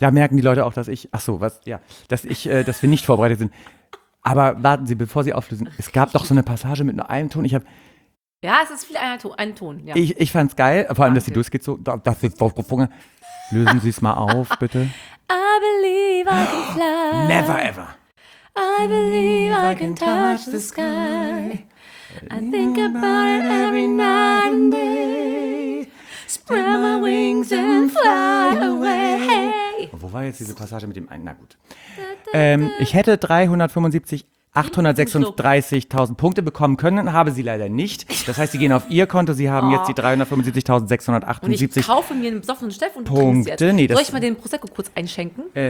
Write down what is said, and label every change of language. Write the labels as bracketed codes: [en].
[de] Da merken die Leute auch, dass ich. Dass wir nicht vorbereitet sind. Aber warten Sie, bevor Sie auflösen. Es gab doch so eine Passage mit nur einem Ton. Ja, es ist viel ein Ton. Ja. Ich fand's geil. Vor allem, dass sie durchgezogen. Dass sie vorgefunden. Lösen Sie es mal auf, bitte. [en] I believe I can fly. Never ever. I believe I can touch the sky. I think about it every night and day. Spread my wings and fly away. [de] Wo war jetzt diese Passage mit dem einen? Na gut. Ich hätte 375.836.000 Punkte bekommen können, habe sie leider nicht. Das heißt, sie gehen auf ihr Konto, sie haben jetzt die 375.678. Und ich kaufe mir einen besoffenen Steff und trinke es jetzt. Soll ich mal den Prosecco kurz einschenken?